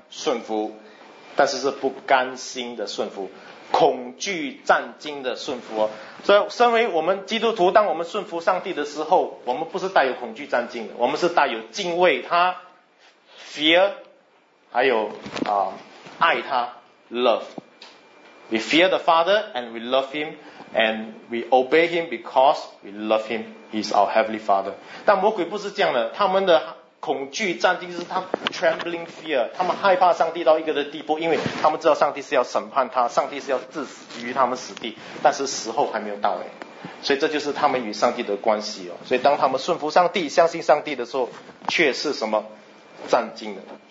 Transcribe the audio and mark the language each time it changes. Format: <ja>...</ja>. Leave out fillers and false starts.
<zh>顺服，但是是不甘心的顺服，恐惧战惊的顺服哦。所以身为我们基督徒，当我们顺服上帝的时候，我们不是带有恐惧战惊的，我们是带有敬畏他 fear， 还有爱他 love。</zh> <en>We fear the Father and we love him and we obey him because we love him. He is our heavenly Father.</en> <zh>但魔鬼不是这样的，他们的恐惧战惊是他 trembling fear，他们害怕上帝到一个的地步，因为他们知道上帝是要审判他，上帝是要置于他们死地，但是时候还没有到，所以这就是他们与上帝的关系哦。所以当他们顺服上帝、相信上帝的时候，却是什么战惊的。</zh>